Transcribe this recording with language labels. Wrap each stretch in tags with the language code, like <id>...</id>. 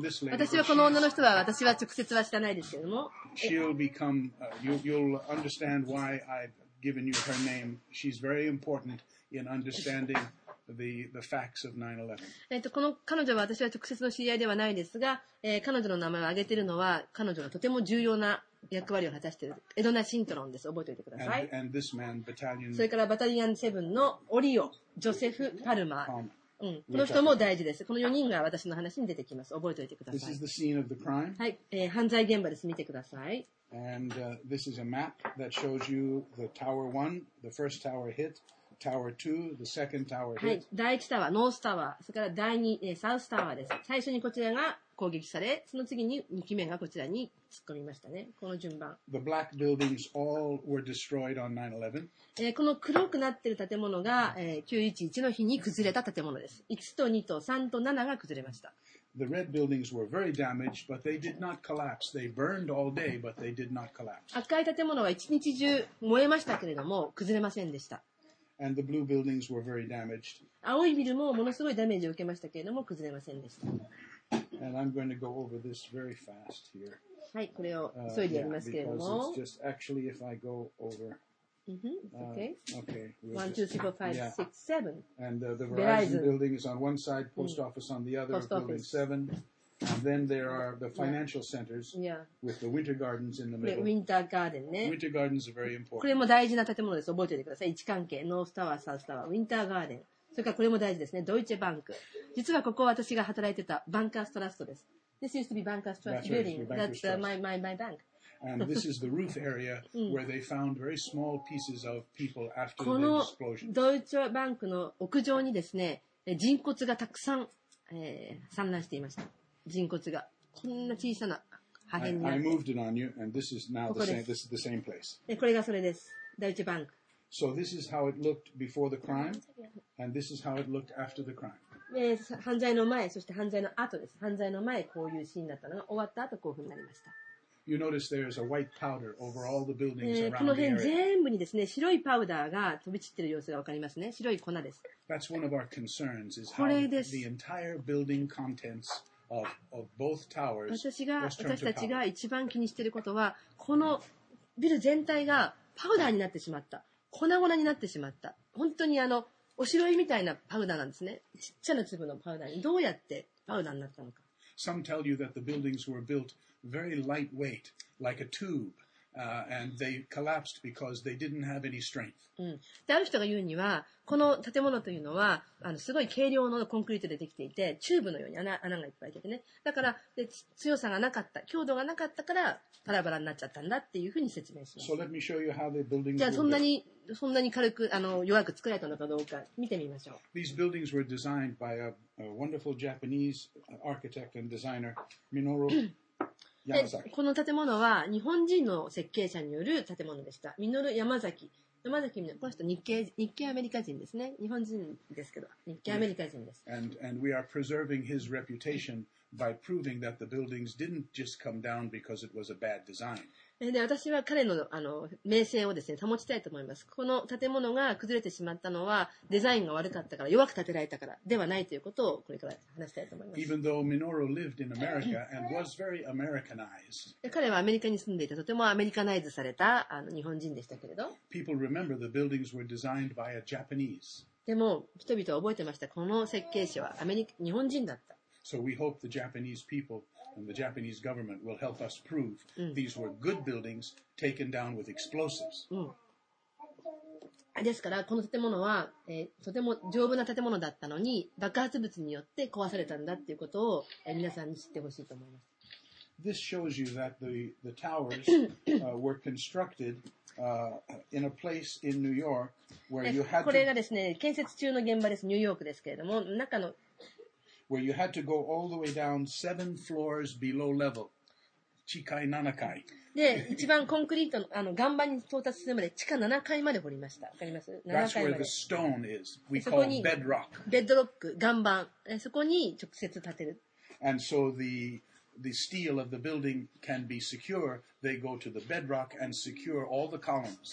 <ja>私はこの女の人は、私は直接は知らないですけども。</ja> <en>She'll become, you'll understand why I've given you her name. She's very important in understanding the facts of 9/11.</en> <ja>この彼女は私は直接の知り合いではないですが、彼女の名前を挙げているのは、彼女がとても重要な役割を果たしているエドナ・シントロンです。覚えておいてください。</ja> <en>And this man,</en> <ja>それからバタリアン7のオリオ、ジョセフ・パルマー。この人も大事です。この4人が私の話に出てきます。覚えておいてください。</ja> <en>This is the scene of the crime.</en> <ja>はい、犯罪現場です。見てください。</ja> <en>And this is a map that shows you the Tower 1, the first tower hit. Tower 2, the second tower hit.</en> <ja>はい、第1タワー、ノースタワー、それから第2、サウスタワーです。最初にこちらが攻撃され、その次に2機目がこちらに突っ込みましたね。この順番。</ja> <en>The black buildings all were destroyed on 9/11.</en> <ja>この黒くなっている建物が、911の日に崩れた建物です。 1と2と3と7が崩れました。</ja> <en>The red buildings were very damaged, but they did not collapse. They burned all day, but they did not collapse.</en> <ja>赤い建物は1日中燃えましたけれども、崩れませんでした。</ja> <en>And the blue buildings were very damaged.</en> <ja>青いビルもものすごいダメージを受けましたけれども崩れませんでした。</ja> <en>And I'm going to go over this very fast here.</en> <ja>はい、これを急いでやりますけれども。</ja> <en>Because it's just actually if I go over. Okay. One, two, three, four, five, six, seven. And the Verizon building is on one side, post office on the other, building seven. And then there are the financial centers with the winter gardens in the middle. Winter garden, ね。 Winter gardens are very important.</en> <ja>これも大事な建物です。覚えておいてください。位置関係、ノースタワー、サウスタワー、ウィンターガーデン。それからこれも大事ですね。ドイチェバンク。実はここ私が働いてたバンカーストラストです。</ja> <en>This used to be Bankers Trust building. That's my bank. And this is the roof area where they found very small pieces of people after the explosion.</en> <ja>このドイチェバンクの屋上にですね、人骨がたくさん、散乱していました。人骨がこんな小さな破片</ja> <en>に。I moved it on you, and this is now the same. This is the same place.</en> <ja>これがそれです。第一バンク。</ja> <en>So this is how it looked before the crime, and this is how it looked after the crime.</en> <ja>犯罪の前、そして犯罪の後です。犯罪の前こういうシーンだったのが終わった後こういうふうになりました。</ja> <en>You notice there is a white powder over all the buildings around the area.</en> <ja>この辺全部にですね、白いパウダーが飛び散ってる様子がわかりますね。白い粉です。</ja> <en>That's one of our concerns. Is how the entire building contents. Of both towers,</en> <ja>私たちが一番気にしていることはこのビル全体がパウダーになってしまった粉々になってしまった本当におしろいみたいなパウダーなんですねちっちゃな粒のパウダーにどうやってパウダーになったのか</ja> <en>Some tell you that the buildings were built very lightweight, like a tube, and they collapsed because they didn't have any strength.</en> <ja>ある人が言うにはこの建物というのはすごい軽量のコンクリートでできていてチューブのように穴がいっぱい出てねだからで強さがなかった強度がなかったからバラバラになっちゃったんだっていうふうに説明します</ja> <en>so let me show you how the buildings</en> <ja>じゃあそんなに軽く弱く作られたのかどうか見てみましょう</ja> <en>These buildings were designed by a wonderful Japanese architect and designer Minoru Yamazaki</en> <ja>この建物は日本人の設計者による建物でしたミノル・ヤマザキこの人は日系アメリカ人ですね。日本人ですけど、日系アメリカ人です。</ja> <en>And we are preserving his reputation by proving that the buildings didn't just come down because it was a bad design.</en> <ja>で私は彼の名声をですね、保ちたいと思います。この建物が崩れてしまったのはデザインが悪かったから、弱く建てられたからではないということをこれから話したいと思います。</ja> <en>Even though Minoru lived in America and was very Americanized.</en> <ja>彼はアメリカに住んでいて、とてもアメリカナイズされた日本人でしたけれど。</ja> <en>People remember the buildings were designed by a Japanese.</en> <ja>でも人々は覚えてました。この設計師は日本人だった。</ja> <en>So we hope the Japanese people. And the Japanese government will help us prove these were good buildings taken down with explosives.</en> <ja>ですからこの建物は、とても丈夫な建物だったのに爆発物によって壊されたんだっていうことを、皆さんに知ってほしいと思います。</ja> <en>This shows you that the towers were constructed in a place in New York where you had to...</en> <ja>これがですね、建設中の現場です。ニューヨークですけれども、中の</ja> <en>Where you had to go all the way down seven floors below level.</en> <ja>地下7階。で、一番コンクリートの、岩盤に到達するまで地下7階まで掘りました。わかります ?7 階まで。</ja> <en>That's where the stone is. We call bedrock.</en> <ja>ベッドロック、岩盤。そこに直接建てる。</ja> <en>And so the steel of the building can be secure, they go to the bedrock and secure all the columns.</en>